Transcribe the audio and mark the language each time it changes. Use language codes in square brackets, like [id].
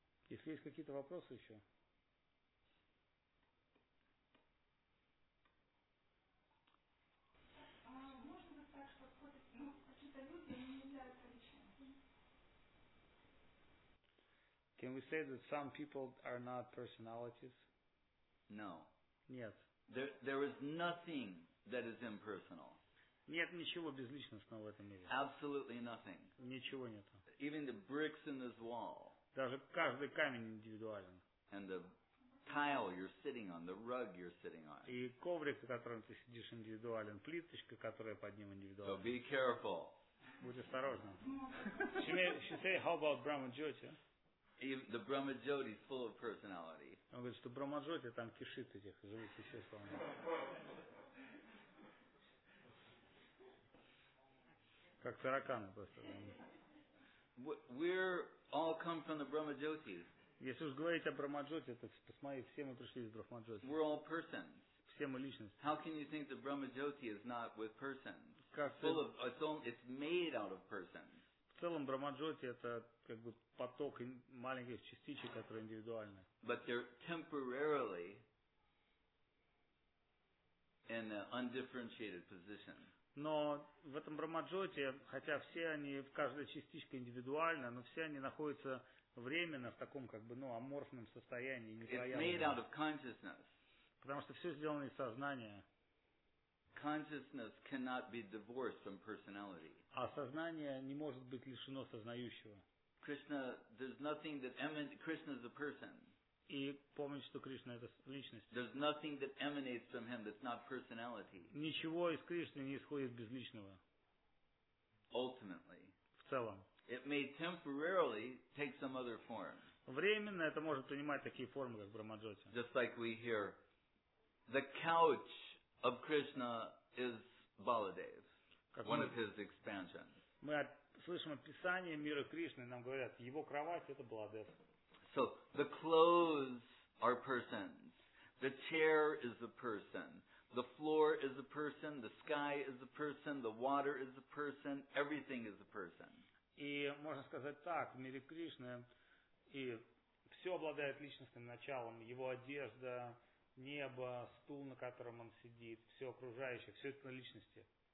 [ru] Если есть какие-то вопросы еще? Можно так, что какие-то люди не являются личностями? [en] Can we say that some people are not personalities? No. [ru] Нет. [en] There is nothing that is impersonal. [ru] Нет ничего безличностного в этом мире. [en] Absolutely nothing. [ru] Ничего нету. [en] Even the bricks in this wall. [ru] Даже каждый камень индивидуален. [en] And the tile you're sitting on, the rug you're sitting on. [ru] И коврик, на котором ты сидишь, индивидуален. Плиточка, которая под ним индивидуальна. [en] So be careful. [ru] Будь осторожным. [en] She say, how about Brahma Jyoti? Even the Brahma Jyoti is full of personality. [ru] Он говорит, что Брахма Джоти там кишит этих живых существ. Как тараканы просто. [en] We're all come from the Brahma Jyoti. [ru] Если уж говорить о Брахма Джоти, то посмотри, все мы пришли из Брахма Джоти. [en] We're all persons. [ru] Все мы личности. [en] How can you think the Brahma Jyoti is not with persons? [ru] Как [en] full of it's made out of persons. [ru] В целом Брахма-джоти это как бы поток маленьких частичек, которые индивидуальны. [en] But they're temporarily in an undifferentiated position. [ru] Но в этом Брахма-джоти, хотя все они, каждая частичка индивидуальна, но все они находятся временно в таком как бы, ну, аморфном состоянии, непроявленном. [en] It's made out of consciousness. [ru] Потому что все сделано из сознания. [en] Consciousness cannot be divorced from personality. [ru] А сознание не может быть лишено сознающего. [en] Krishna, there's nothing that emanates. Krishna is a person. [ru] И помните, что Кришна это личность. [en] There's nothing that emanates from him that's not personality. [ru] Ничего из Кришны не исходит без личного. [en] Ultimately. [ru] В целом. [en] It may temporarily take some other form. [ru] Временно это может принимать такие формы, как Брахма-джоти. [en] Just like we hear, the couch of Krishna is Baladev, one of his expansions. [ru] Мы слышим описание мира Кришны, нам говорят, его кровать это Баладев. [en] So the clothes are persons, the chair is a person, the floor is a person, the sky is a person, the water is a person, everything is a person. [ru] И можно сказать так, в мире Кришны и все обладает личностным началом, его одежда. Небо, стул, на котором он сидит, все окружающее, все это на личности.